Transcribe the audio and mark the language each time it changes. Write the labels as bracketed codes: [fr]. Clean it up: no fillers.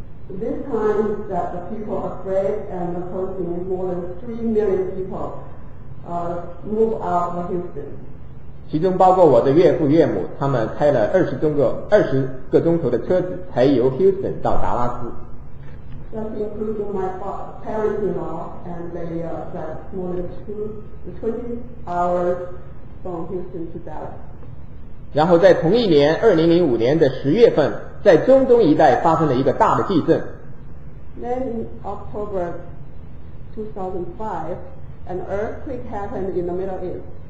[en] This time the people afraid and opposing more than 3 million people move out of Houston. [zh] 其中包括我的岳父岳母，他们开了二十个钟头的车子，才由 Houston 到达拉斯。 [en] That's including my parents-in-law, and they drove more than 20 hours from Houston to Dallas. [zh] 然后在同一年2005年的10月份，在中东一带发生了一个大的地震。 [en] Then in October 2005, an earthquake happened in the Middle East.